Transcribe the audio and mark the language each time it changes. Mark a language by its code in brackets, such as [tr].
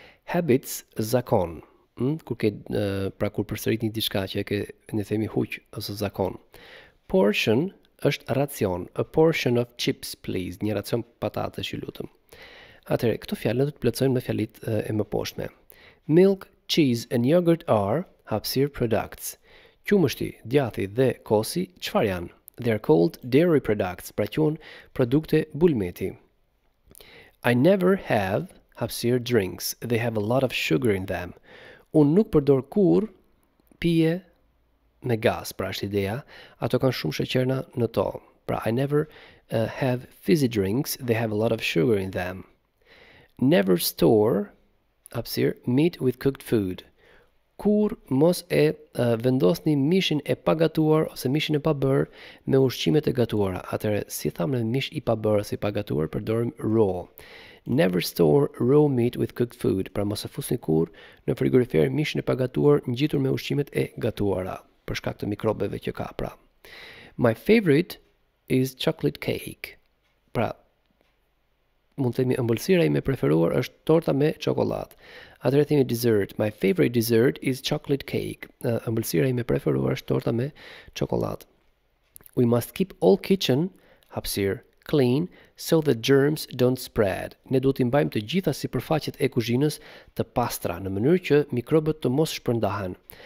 [sq] Habits, zakon. Kur ke pra kur përsërit një diçka që e ke, ne themi huq ose zakon. Portion është racion, [en] a portion of chips please, [sq] një racion patatesh ju lutem. Atëherë këto fjalë do të plotësojmë me fjalitë e mëposhtme. [en] Milk, cheese and yogurt are hapësir products. [sq] Qumështi, djathi dhe kosi çfarë janë? [en] They are called dairy products, [sq] pra quhen produkte bulmeti. [en] I never have hapësir drinks. They have a lot of sugar in them. [sq] Unë nuk përdor kur pije me gaz, pra është ideja, ato kanë shumë sheqerna në to. [en] Pra, I never have fizzy drinks, they have a lot of sugar in them. Never store, hapsir, meat with cooked food. [sq] Kur mos e vendosni mishin e pagatuar ose mishin e pabër me ushqimet e gatuara. Atëre, si thamë në mish i pabër ose i pagatuar, përdorim raw. [en] Never store raw meat with cooked food, [sq] pra mos e fusni kur në frigorifer mishin e pagatuar ngjitur me ushqimet e gatuara, për shkak të mikrobeve që ka, pra. [en] My favorite is chocolate cake. [sq] Pra, mund të themi ëmbëlsira ime e preferuar është torta me çokoladë. Atëherë themi dessert. [en] My favorite dessert is chocolate cake. [sq] Ëmbëlsira ime e preferuar është torta me çokoladë. [en] We must keep all kitchen, hapësir, clean so the germs don't spread. [sq] Ne duhet të mbajmë të gjitha sipërfaqet e kuzhinës të pastra në mënyrë që mikrobët të mos shpërndahen.